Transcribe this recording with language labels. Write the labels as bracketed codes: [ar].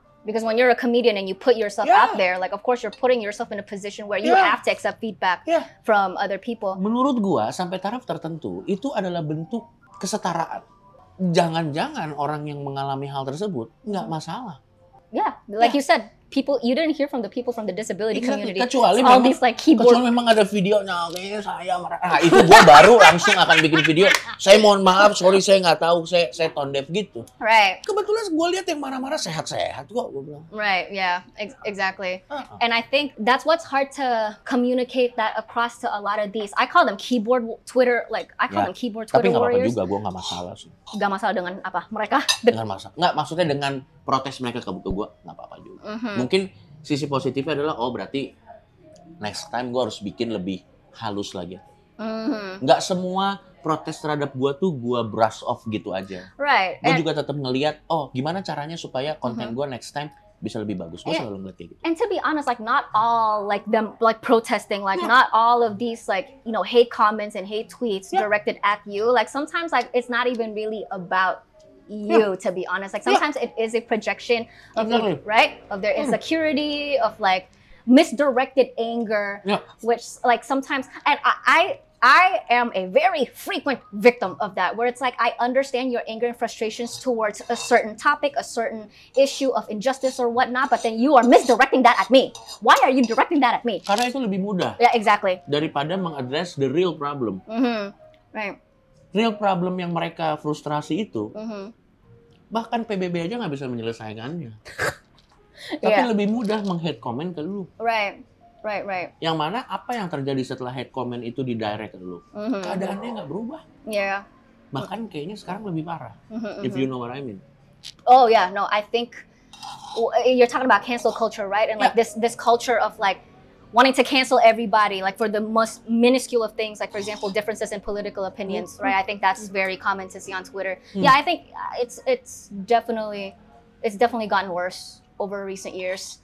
[en] Because when you're a comedian and you put yourself out there, like of course you're putting yourself in a position where you have to accept feedback from other people. [id] Menurut gue, sampai taraf tertentu, itu adalah bentuk kesetaraan. Jangan-jangan orang yang mengalami hal tersebut nggak masalah. [en] Yeah, like you said, you didn't hear from the people from the disability community. [id] Kecuali [en] all memang, these like keyboard. [id] Kecuali memang ada video, saya marah. Nah, itu gue baru langsung akan bikin video. Saya mohon maaf, sorry, saya nggak tahu, saya tone deaf gitu. [en] Right. [id] Kebetulan gue lihat yang marah-marah sehat-sehat kok. [en] Right. Yeah. Exactly. And I think that's what's hard to communicate that across to a lot of these. I call them keyboard Twitter. Like I call them keyboard Twitter warriors. [id] nggak apa-apa juga, gue nggak masalah sih. Gak masalah dengan apa mereka? Dengan masalah. Nggak, maksudnya dengan protes mereka ke buku gue, nggak apa-apa juga. Mungkin sisi positifnya adalah, oh berarti next time gue harus bikin lebih halus lagi. Nggak semua protes terhadap gue tuh gue brush off gitu aja. [en] Right. [id] Gue juga tetap ngelihat, oh gimana caranya supaya konten gue next time bisa lebih bagus. Gue selalu ngeliat kayak gitu. [en] And to be honest, like not all like them like protesting, like not all of these like you know hate comments and hate tweets directed at you. Like sometimes like it's not even really about you, to be honest. Like sometimes it is a projection of you, right? Of their insecurity, of like misdirected anger, which like sometimes, and I am a very frequent victim of that, where it's like I understand your anger and frustrations towards a certain topic, a certain issue of injustice or whatnot, but then you are misdirecting that at me. Why are you directing that at me? [id] Karena itu lebih mudah. [en] Yeah, exactly. [id] Daripada mengaddress [en] the real problem. Right. [id] Real problem yang mereka frustrasi itu, bahkan PBB aja nggak bisa menyelesaikannya. Tapi lebih mudah meng-hate comment ke lu. [en] Right. [id] Yang mana apa yang terjadi setelah hate comment itu di-direct ke lu? Keadaannya nggak berubah. [en] Yeah. [id] Bahkan kayaknya sekarang lebih parah. [en] If you know what I mean. Oh yeah, no, I think you're talking about cancel culture, right? And like this culture of like, wanting to cancel everybody, like for the most minuscule of things, like for example, differences in political opinions, right? I think that's very common to see on Twitter. Yeah, I think it's definitely gotten worse over recent years.